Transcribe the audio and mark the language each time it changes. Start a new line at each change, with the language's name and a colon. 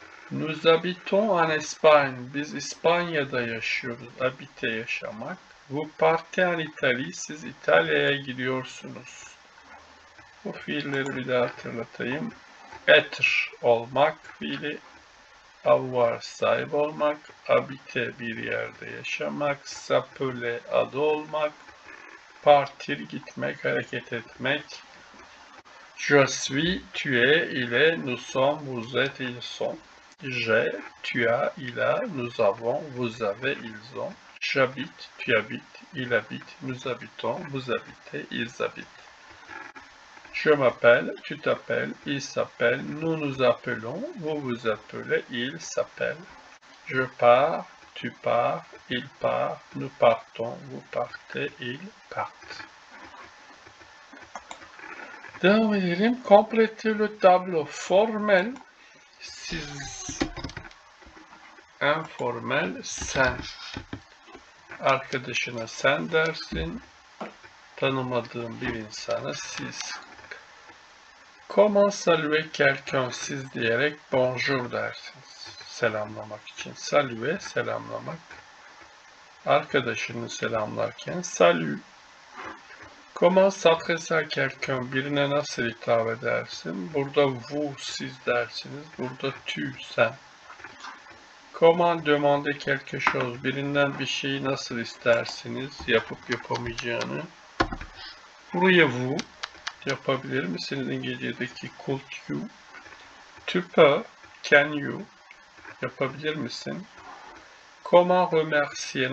French: Nous habitons en Espagne.
Turkish: Biz İspanya'da yaşıyoruz. Habite yaşamak.
French: Vous partez en Italie.
Turkish: Siz İtalya'ya gidiyorsunuz. Bu fiilleri bir daha hatırlatayım. Être olmak fiili. Avoir sahip olmak. Habite bir yerde yaşamak. S'appeler adı olmak. Partir gitmek, hareket etmek.
French: Je suis, tu es, il est, nous sommes, vous êtes, ils sont. J'ai, tu as, il a, nous avons, vous avez, ils ont. J'habite, tu habites, il habite, nous habitons, vous habitez, ils habitent. Je m'appelle, tu t'appelles, ils s'appellent, nous nous appelons, vous vous appelez, ils s'appellent. Je pars, tu pars, il part, nous partons, vous partez, ils partent.
Turkish: Devam edelim.
French: Complétez le tableau formel.
Turkish: Siz, informel sen, arkadaşına sen dersin, tanımadığın bir insana siz.
French: Comment saluer quelqu'un
Turkish: siz diyerek
French: bonjour
Turkish: dersiniz. Selamlamak için. Saluer, selamlamak. Arkadaşını selamlarken salut.
French: Comment s'adresser à quelqu'un?
Turkish: Birine nasıl hitap edersin? Burada vous, siz dersiniz. Burada tu, sen.
French: Comment demander quelque chose?
Turkish: Birinden bir şeyi nasıl istersiniz? Yapıp yapamayacağını. Buraya vous. Yapabilir misiniz? İngilizce'deki
English: could you?
French: Tu peux.
English: Can you?
Turkish: Yapabilir misin?
French: Comment remercier?